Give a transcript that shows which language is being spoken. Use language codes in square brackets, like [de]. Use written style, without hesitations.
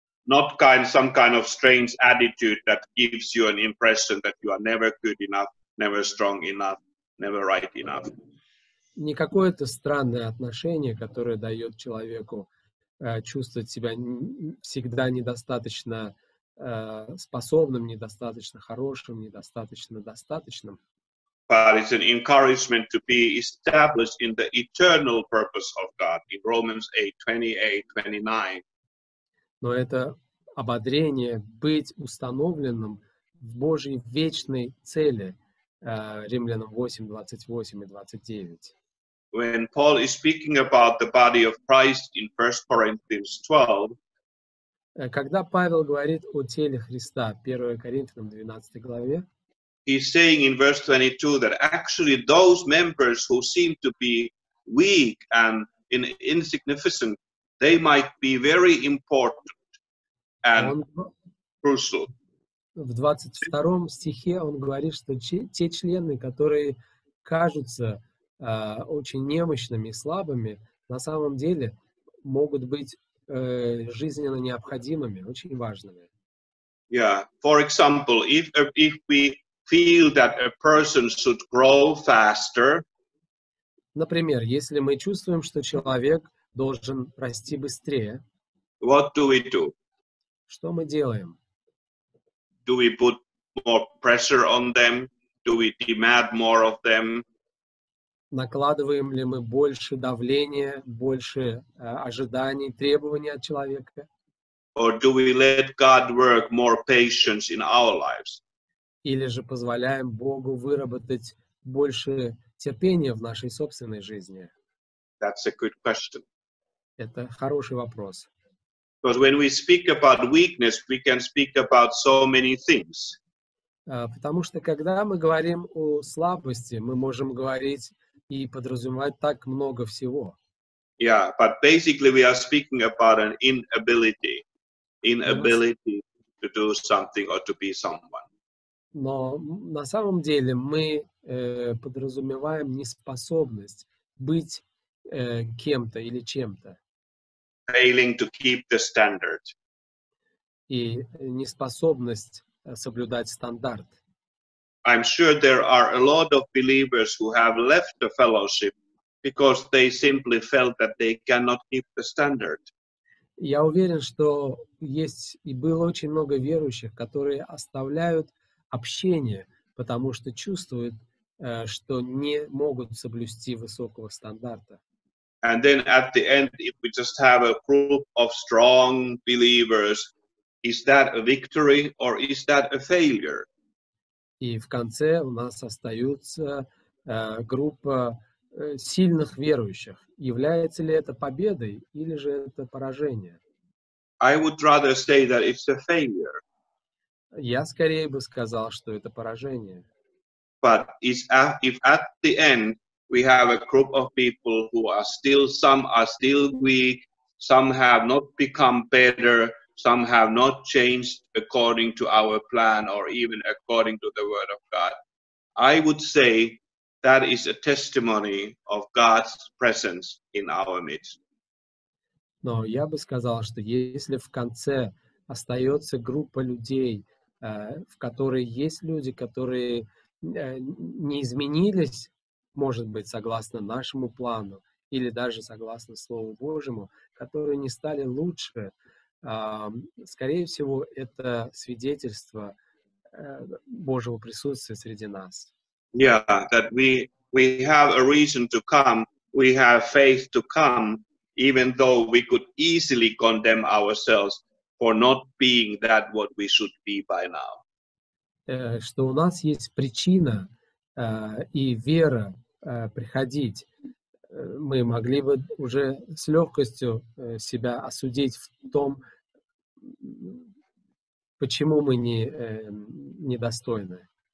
[en] Not kind, some kind of strange attitude that gives you an impression that you are never good enough, never strong enough, never right enough. [ru] Не какое-то странное отношение, которое дает человеку чувствовать себя всегда недостаточно способным, недостаточно хорошим, недостаточно достаточным. [en] But it's an encouragement to be established in the eternal purpose of God in Romans 8:28-29. [ru] Но это ободрение быть установленным в Божьей вечной цели, Римлянам 8:28-29. [en] When Paul is speaking about the body of Christ in 1 Corinthians 12, [ru] когда Павел говорит о теле Христа, 1 Коринфянам 12 главе, [en] he's saying in verse 22 that actually those members who seem to be weak and insignificant, they might be very important and crucial. [ru] В 22 стихе он говорит, что те члены, которые кажутся очень немощными и слабыми, на самом деле могут быть жизненно необходимыми, очень важными. [en] Yeah, for example, if we feel that a person should grow faster. [ru] Например, если мы чувствуем, что человек должен расти быстрее, [en] what do we do? [ru] Что мы делаем? [en] Do we put more pressure on them? Do we demand more of them? [ru] Накладываем ли мы больше давления, больше ожиданий, требований от человека? [en] Or do we let God work more patience in our lives? [ru] Или же позволяем Богу выработать больше терпения в нашей собственной жизни? [en] That's a good question. [ru] Это хороший вопрос. [en] Because when we speak about weakness, we can speak about so many things. [ru] Потому что когда мы говорим о слабости, мы можем говорить и подразумевать так много всего. [en] Yeah, but basically we are speaking about an inability, inability to do something or to be someone. [ru] Но на самом деле мы подразумеваем неспособность быть кем-то или чем-то. [en] Failing to keep the standard. [ru] И неспособность соблюдать стандарт. [en] I'm sure there are a lot of believers who have left the fellowship because they simply felt that they cannot keep the standard. [ru] Я уверен, что есть и было очень много верующих, которые оставляют общение, потому что чувствуют, что не могут соблюсти высокого стандарта. [en] And then at the end, if we just have a group of strong believers, is that a victory or is that a failure? [ru] И в конце у нас остается группа сильных верующих. Является ли это победой или же это поражение? [en] I would rather say that it's a failure. [ru] Я скорее бы сказал, что это поражение. [en] But if at the end we have a group of people who are still, some are still weak, some have not become better, some have not changed according to our plan or even according to the word of God. I would say that is a testimony of God's presence in our midst. [ru] Но я бы сказал, что если в конце остается группа людей, в которой есть люди, которые не изменились, может быть, согласно нашему плану, или даже согласно Слову Божьему, которые не стали лучше, скорее всего, это свидетельство Божьего присутствия среди нас. [en] Yeah, that we have a reason to come, we have faith to come, even though we could easily condemn ourselves for not being that what we should be by now. [ru] Что у нас есть причина и вера приходить, мы могли бы уже с легкостью себя осудить в том, почему мы недостойны.